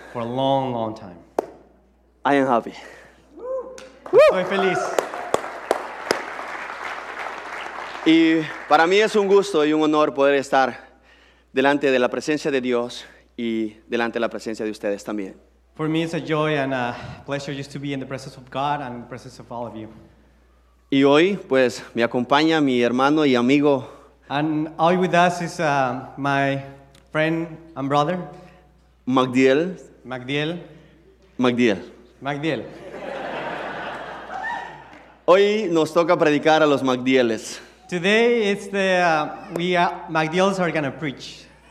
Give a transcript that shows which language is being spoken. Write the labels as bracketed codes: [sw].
[en] For a long, long time. I am happy. [es] Woo! Estoy feliz. Y para mí es un gusto y un honor poder estar delante de la presencia de Dios y delante de la presencia de ustedes también. [en] For me it's a joy and a pleasure just to be in the presence of God and in the presence of all of you. [es] Y hoy pues me acompaña mi hermano y amigo. [en] And all with us is my friend and brother. Magdiel. Magdiel. Magdiel. Magdiel. [es] Hoy nos toca predicar a los Magdieles. [en] Today it's the Magdiels are going to preach.